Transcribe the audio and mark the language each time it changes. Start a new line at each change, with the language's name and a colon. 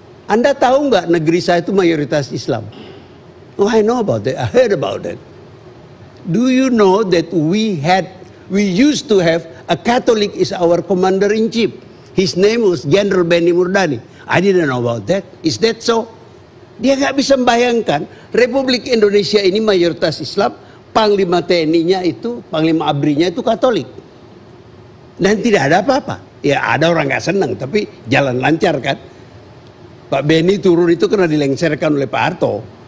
Indonesian: Anda tahu enggak negeri saya itu mayoritas Islam?
English: Oh, I know about that. I heard about it. Do you know that we used to have a Catholic is our commander in chief? His name was General Benny Murdani. I didn't know about that. Is that so?
Indonesian: Dia enggak bisa membayangkan Republik Indonesia ini mayoritas Islam, panglima TNI-nya itu, panglima ABRI-nya itu Katolik. Dan tidak ada apa-apa. Ya, ada orang enggak senang, tapi jalan lancar kan. Pak Benny turun itu karena dilengserkan oleh Pak Harto.